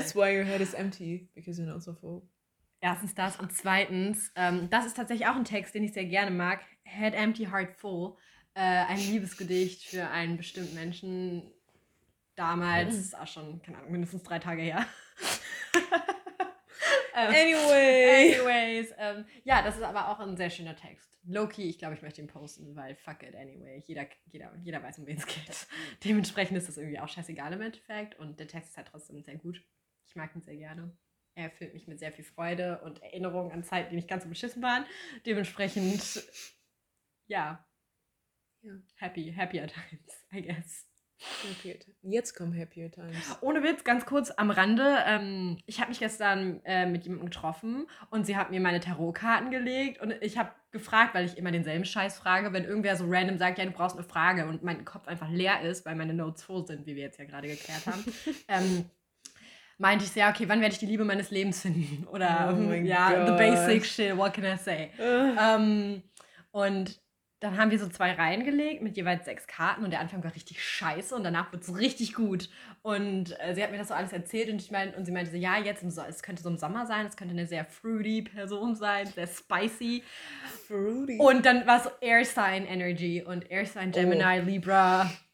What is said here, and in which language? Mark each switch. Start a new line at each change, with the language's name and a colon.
English: That's why your head is empty, because your notes are full.
German: Erstens das und zweitens, das ist tatsächlich auch ein Text, den ich sehr gerne mag.
English: Head empty, heart full.
German: Ein Liebesgedicht für einen bestimmten Menschen. Damals, das ist auch schon, keine Ahnung, mindestens 3 Tage her.
English: Anyways.
German: Ja, das ist aber auch ein sehr schöner Text. Loki, ich glaube, ich möchte ihn posten, weil
English: fuck it anyway.
German: Jeder weiß, um wen es geht. Dementsprechend ist das irgendwie auch scheißegal im Endeffekt. Und der Text ist halt trotzdem sehr gut. Ich mag ihn sehr gerne. Er erfüllt mich mit sehr viel Freude und Erinnerungen an Zeiten, die nicht ganz so beschissen waren. Dementsprechend, ja.
English: Happier times, I guess.
German: Jetzt kommen
English: happier times.
German: Ohne Witz, ganz kurz am Rande. Ich habe mich gestern mit jemandem getroffen und sie hat mir meine Tarotkarten gelegt und ich habe gefragt, weil ich immer denselben Scheiß frage, wenn irgendwer so random sagt, ja, du brauchst eine Frage und mein Kopf einfach leer ist, weil meine Notes voll sind, wie wir jetzt ja gerade geklärt haben. meinte ich so, ja, okay, wann werde ich die Liebe meines Lebens finden? Oder, oh ja,
English: God. The basic shit, what can I say?
German: Und dann haben wir so 2 Reihen gelegt mit jeweils 6 Karten und der Anfang war richtig scheiße und danach wird es richtig gut. Und sie hat mir das so alles erzählt und sie meinte so, ja, jetzt es könnte so im Sommer sein, es könnte eine sehr fruity Person sein, sehr spicy. Fruity. Und dann war es so Air Sign Energy und Air Sign Gemini, oh. Libra.